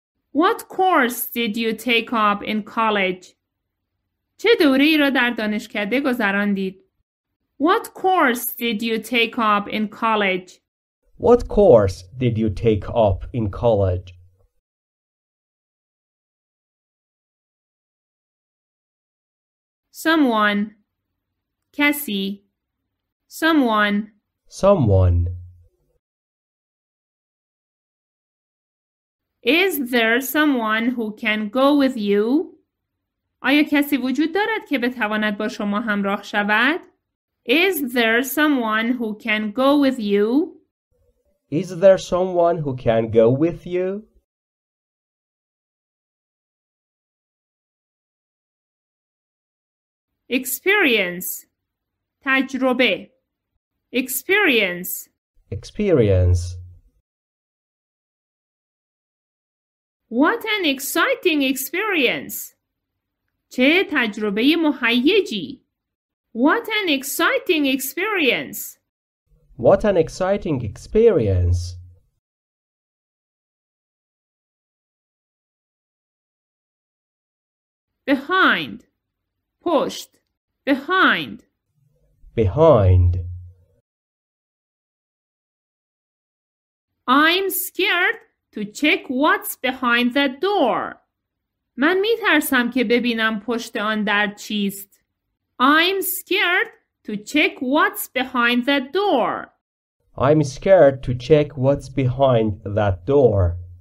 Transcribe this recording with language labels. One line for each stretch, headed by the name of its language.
English: What course did you take up in college?
Persian: چه دوره‌ای را در دانشکده گذراندید؟
English: What course did you take up in college? What course did you take up in college? Someone.
Persian: کسی.
English: Someone. Someone. Is there someone who can go with you?
Persian: آیا کسی وجود دارد که بتواند با شما همراه شود؟
English: Is there someone who can go with you? Is there someone who can go with you? Experience.
Persian: تجربه.
English: Experience. Experience. What an exciting experience.
Persian: چه تجربه مهیجی.
English: What an exciting experience. What an exciting experience! Behind.
Persian: پشت.
English: Behind. Behind. I'm scared to check what's behind that door.
Persian: من می ترسم که ببینم پشت آن در چیست.
English: I'm scared to check what's behind that door. I'm scared to check what's behind that door.